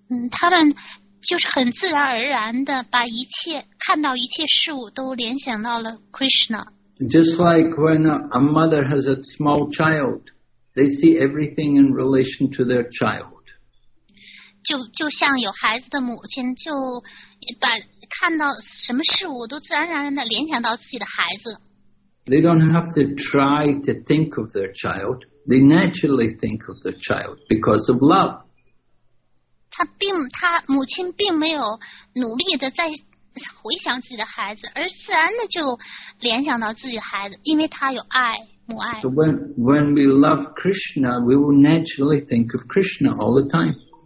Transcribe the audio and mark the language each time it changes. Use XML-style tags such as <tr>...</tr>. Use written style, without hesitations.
<zh>他们就是很自然而然的把一切看到一切事物都联想到了 Krishna.</zh> <en>Just like when a mother has a small child, they see everything in relation to their child.</en> <zh>就像有孩子的母亲就把看到什么事物都自然而然的联想到自己的孩子。</zh> <en>They don't have to try to think of their child. They naturally think of their child because of love.</en> <zh>他母亲并没有努力的在回想自己的孩子，而自然的就联想到自己的孩子，因为他有爱，母爱。</zh> <en>So when we love Krishna, we will naturally think of Krishna all the time.</en>